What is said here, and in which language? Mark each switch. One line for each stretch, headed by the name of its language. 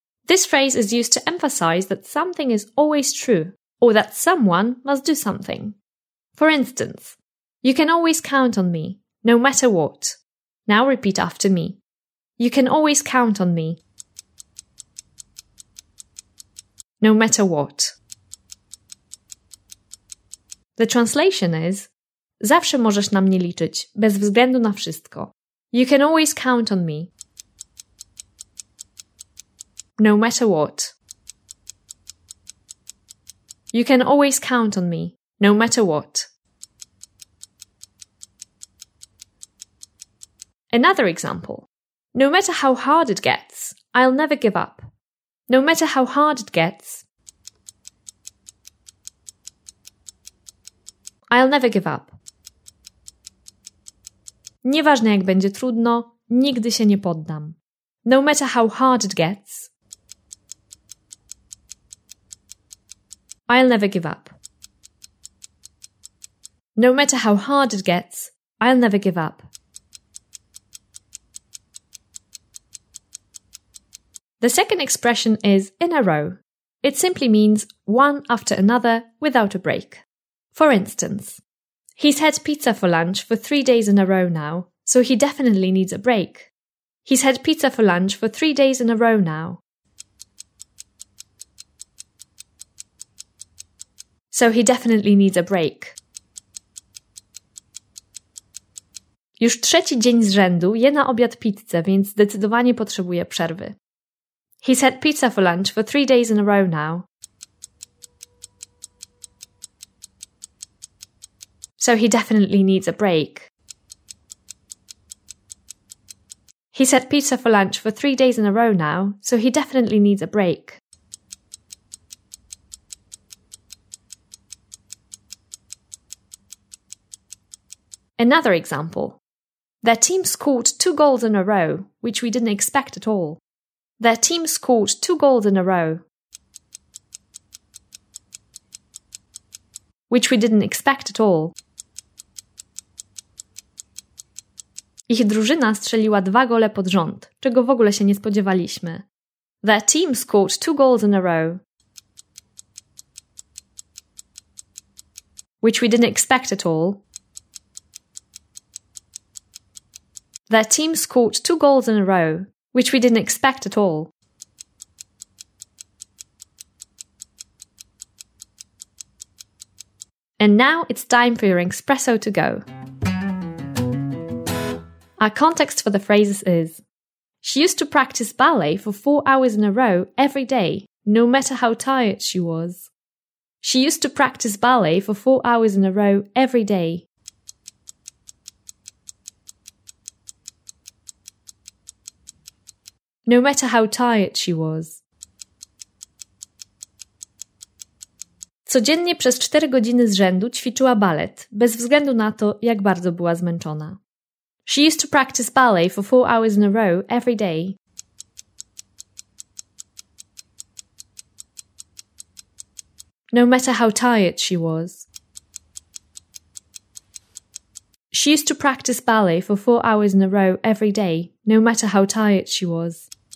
English: This phrase is used to emphasize that something is always true, or that someone must do something. For instance, you can always count on me, no matter what. Now repeat after me. You can always count on me, no matter what. The translation is,
Polish: zawsze możesz na mnie liczyć, bez względu na wszystko.
English: You can always count on me, no matter what. You can always count on me, no matter what. Another example. No matter how hard it gets, I'll never give up. No matter how hard it gets, I'll never give up.
Polish: Nieważne jak będzie trudno, nigdy się nie poddam.
English: No matter how hard it gets, I'll never give up. No matter how hard it gets, I'll never give up. The second expression is in a row. It simply means one after another without a break. For instance, he's had pizza for lunch for 3 days in a row now, so he definitely needs a break. He's had pizza for lunch for 3 days in a row now, so he definitely needs a break.
Polish: Już trzeci dzień z rzędu je na obiad pizzę, więc zdecydowanie potrzebuje przerwy.
English: He's had pizza for lunch for 3 days in a row now, so he definitely needs a break. He's had pizza for lunch for 3 days in a row now, so he definitely needs a break. Another example. Their team scored 2 goals in a row, which we didn't expect at all. Their team scored 2 goals in a row, which we didn't expect at all.
Polish: Ich drużyna strzeliła 2 gole pod rząd, czego w ogóle się nie spodziewaliśmy.
English: Their team scored 2 goals in a row, which we didn't expect at all. Their team scored 2 goals in a row, which we didn't expect at all. And now it's time for your espresso to go. Our context for the phrases is, she used to practice ballet for 4 hours in a row every day, no matter how tired she was. She used to practice ballet for 4 hours in a row every day, no matter how tired she was. Co
Polish: Codziennie przez 4 godziny z rzędu ćwiczyła balet, bez względu na to, jak bardzo była zmęczona.
English: She used to practice ballet for 4 hours in a row every day. No matter how tired she was. She used to practice ballet for 4 hours in a row every day, no matter how tired she was.